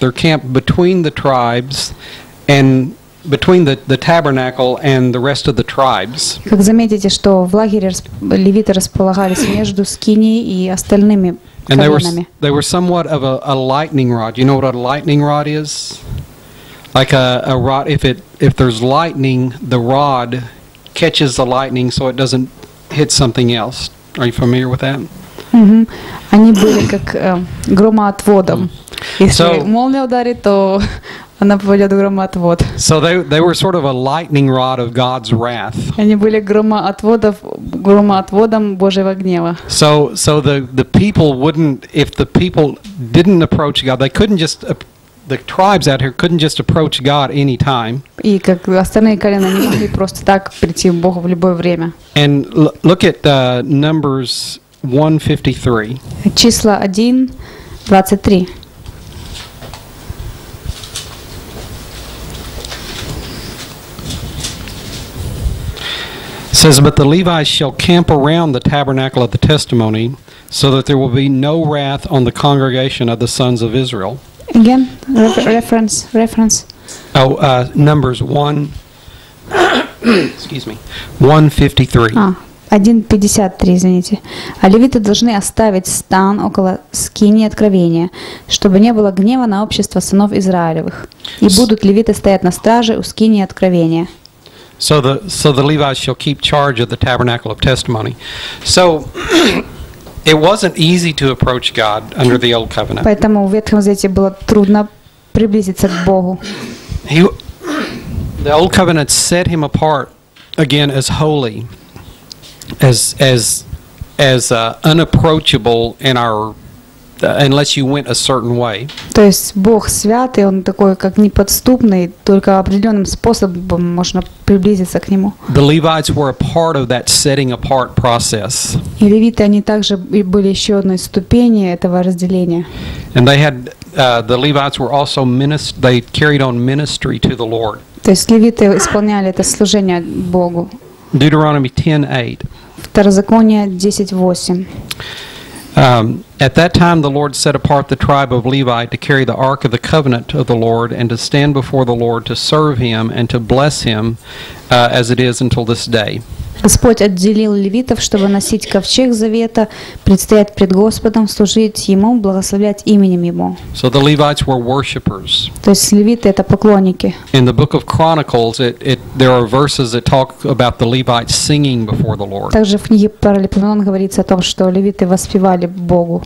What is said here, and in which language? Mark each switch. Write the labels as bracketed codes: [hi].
[en] They're camped between the tribes and between the tabernacle and the rest of the tribes. [ru] Как заметите, что в лагере левиты располагались между скинией и остальными коленами. [en] And they were somewhat of a lightning rod. You know what a lightning rod is? Like a rod, if there's lightning, the rod catches the lightning so it doesn't hit something else. Are you familiar with that? Mm-hmm. [ru] Они были как громоотводом. Если молния ударит, то она попадет в громоотвод. [en] So they were sort of a lightning rod of God's wrath. [ru] Они были громоотводом Божьего гнева. [en] So the people wouldn't, if the people didn't approach God, they couldn't just the tribes out here couldn't just approach God any time. [ru] И как остальные колена не могли просто так прийти к Богу в любое время. [en] And look at Numbers 1:53. [ru] Числа 1:23. [en] Says, but the Levites shall camp around the tabernacle of the testimony, so that there will be no wrath on the congregation of the sons of Israel. Again, reference. Oh, Numbers 1, excuse me, 1:53. [ru] 1:53, извините. А левиты должны оставить стан около скинии откровения, чтобы не было гнева на общество сынов Израилевых. И будут левиты стоять на страже у скинии откровения. [en] So the Levites shall keep charge of the tabernacle of testimony. So it wasn't easy to approach God under the old covenant. [ru] Поэтому в Ветхом Завете было трудно приблизиться к Богу. [en] The old covenant set him apart again as holy, as unapproachable in our unless you went a certain way. [ru] То есть Бог святый, он такой как неподступный, только определенным способом можно приблизиться к нему. [en] The Levites were a part of that setting apart process. [ru] И левиты, они также были еще одной ступенью этого разделения. [en] And they had the Levites were also they carried on ministry to the Lord. [ru] То есть левиты исполняли это служение Богу. [en] Deuteronomy 10:8. [ru] Второзаконие 10:8. [en] At that time the Lord set apart the tribe of Levi to carry the ark of the covenant of the Lord and to stand before the Lord to serve him and to bless him as it is until this day. [ru] Господь отделил левитов, чтобы носить ковчег завета, предстоять пред Господом, служить ему, благословлять именем ему. [en] So the Levites were worshippers. [ru] То есть левиты это поклонники. [en] In the book of Chronicles there are verses that talk about the Levites singing before the Lord. [ru] Также в книге Паралипоменон говорится о том, что левиты воспевали Богу.